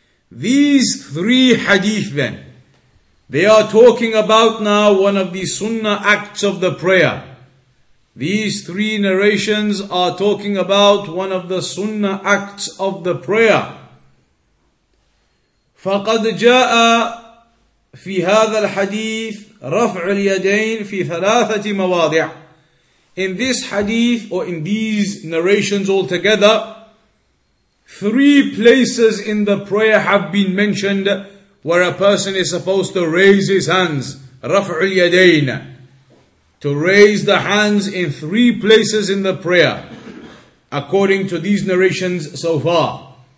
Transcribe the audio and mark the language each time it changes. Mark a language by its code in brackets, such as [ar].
[en] These three hadith then, they are talking about now one of the sunnah acts of the prayer. These three narrations are talking about one of the sunnah acts of the prayer. [ar] فَقَدْ جَاءَ فِي هَذَا الْحَدِيثِ رفع اليدين في ثلاثة مواضع. [en] In this hadith, or in these narrations altogether, three places in the prayer have been mentioned where a person is supposed to raise his hands. [ar] رفع اليدين, [en] to raise the hands in three places in the prayer, according to these narrations so far.